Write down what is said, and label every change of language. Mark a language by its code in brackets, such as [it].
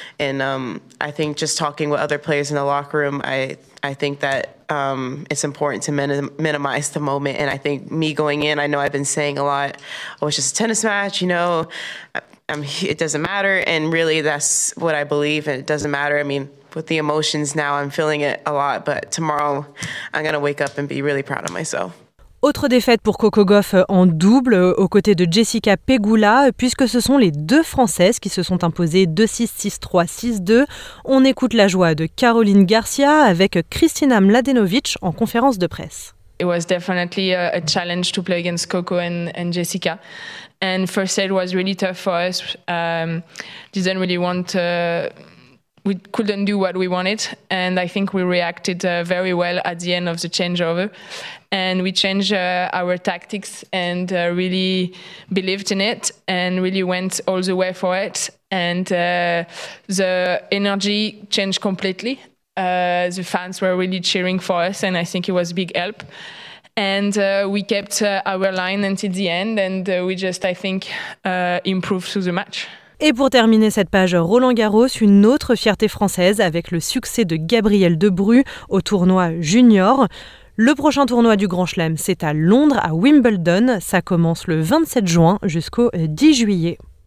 [en] And I think just talking with other players in the locker room, I think that it's important to minimize the moment. And I think me going in, I know I've been saying a lot, oh, it's just a tennis match, you know, it doesn't matter. And really that's what I believe. And it doesn't matter. I mean, with the emotions now, I'm feeling it a lot. But tomorrow, I'm going to wake up and be really proud of myself. [fr] Autre défaite pour Coco Gauff en double aux côtés de Jessica Pegula, puisque ce sont les deux Françaises qui se sont imposées 2-6, 6-3, 6-2. On écoute la joie de Caroline Garcia avec Kristina Mladenovic en conférence de presse. [en] It was definitely a challenge to play against Coco and Jessica. And first set was really tough for us. Didn't really want to... We couldn't do what we wanted, and I think we reacted very well at the end of the changeover. And we changed our tactics and really believed in it and really went all the way for it. And the energy changed completely. The fans were really cheering for us, and I think it was a big help. And we kept our line until the end, and we just, I think, improved through the match. [fr] Et pour terminer cette page Roland-Garros, une autre fierté française avec le succès de Gabrielle Debru au tournoi junior. Le prochain tournoi du Grand Chelem, c'est à Londres, à Wimbledon. Ça commence le 27 juin jusqu'au 10 juillet.